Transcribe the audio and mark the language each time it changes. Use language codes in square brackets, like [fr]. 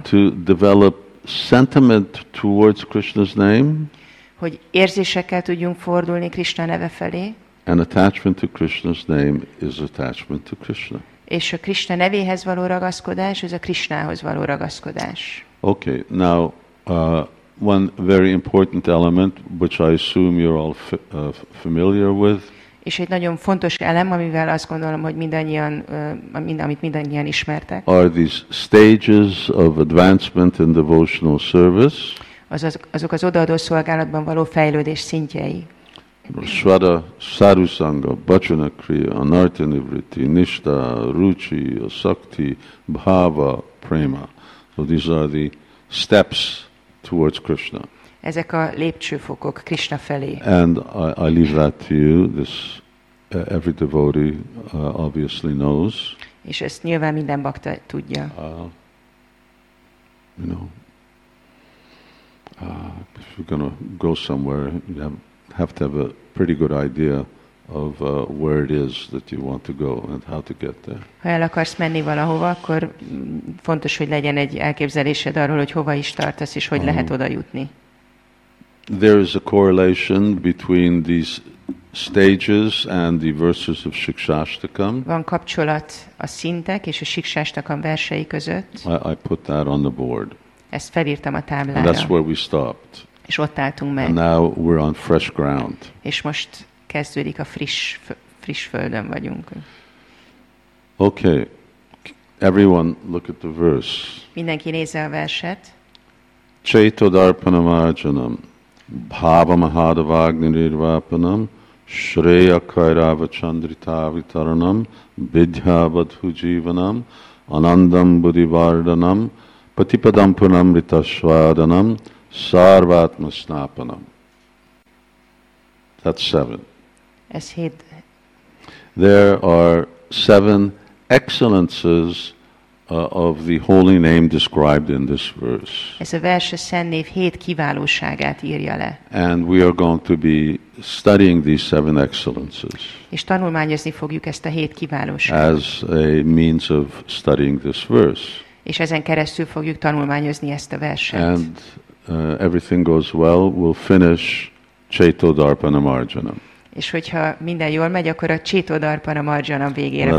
[en] To develop sentiment towards Krishna's name, [hu] hogy érzésekkel tudjunk fordulni Krishna neve felé. [en] An attachment to Krishna's name is attachment to Krishna. [hu] És a Krishna nevéhez való ragaszkodás, ez a Krishnához való ragaszkodás. [en] Okay, now one very important element, which I assume you're all familiar with. [hu] És egy nagyon fontos elem, amivel azt gondolom, hogy mindannyian, amit mindannyian ismertek. [en] Are these stages of advancement in devotional service? [hu] Azok az odaadó szolgálatban való fejlődés szintjei. [sa] Svada, sarusanga, bhajana kriya, anartya nivritti, nishta, ruchi, asakti, bhava, prema. [en] So these are the steps towards Krishna. [hu] Ezek a lépcsőfokok Krishna felé. [en] And I leave that to you. This every devotee obviously knows. [hu] És ezt nyilván minden bhakta tudja. [en] If you're gonna go somewhere, you have to have a pretty good idea of where it is that you want to go and how to get there. [hu] Ha el akarsz menni valahova, akkor fontos, hogy legyen egy elképzelésed arról, hogy hova is tartasz és hogy lehet oda jutni. [en] There is a correlation between these stages and the verses of Shikshashtakam. [hu] Van kapcsolat a szintek és a Shikshashtakam versei között. [en] I put that on the board. [hu] Ezt felírtam a táblára. [en] And that's where we stopped. [hu] És ott álltunk meg. [en] And now we're on fresh ground. [hu] És most kezdődik a friss földön vagyunk. [en] Okay. Everyone look at the verse. [hu] Mindenki nézze a verset. [sa] Chaito darpanam arjanam. Bhava Mahadavagni Nirvapanam, Shreya Kairava Chandritavitaranam, Vidhya Vadhujivanam, Anandam Budhivardhanam, Patipadampunam Ritashvadanam, Sarvatma Snapanam. [en] That's seven. [hu] Ez hét. [en] There are seven excellences of the holy name described in this verse. [hu] Ez a vers a szent név hét kiválóságát írja le. [en] And we are going to be studying these seven excellences. [hu] És tanulmányozni fogjuk ezt a hét kiválóságot. [en] As a means of studying this verse. [hu] És ezen keresztül fogjuk tanulmányozni ezt a verset. [en] And everything goes well, we'll finish Chaito Darpanam Arjanam. [hu] És hogyha minden jól megy, akkor a Chaito Darpanam Arjanam végére